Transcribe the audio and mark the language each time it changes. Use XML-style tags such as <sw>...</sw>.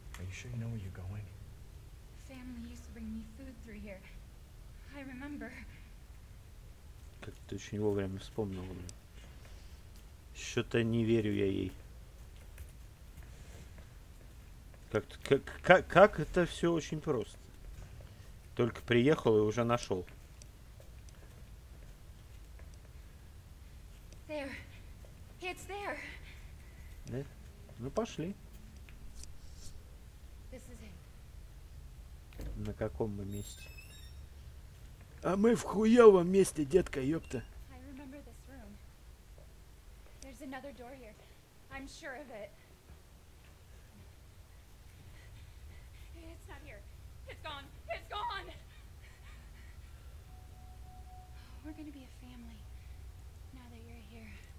<en>sure you know where you're going? Family used to bring me food through here. I remember.</en> <ru>Как-то очень вовремя вспомнил, блин. Что-то не верю я ей. Как-то, как это все очень просто. Только приехал и уже нашел.</ru> <en>There. It's there.</en> <ru>Да? Ну пошли.</ru> <en>This is it.</en> <ru>На каком мы месте? А мы в хуёвом месте, детка, ёпта.</ru> <en>I remember this room. There's another door here. I'm sure of it. It's not here. It's gone. It's gone. We're gonna be a family. Now that you're here.</en>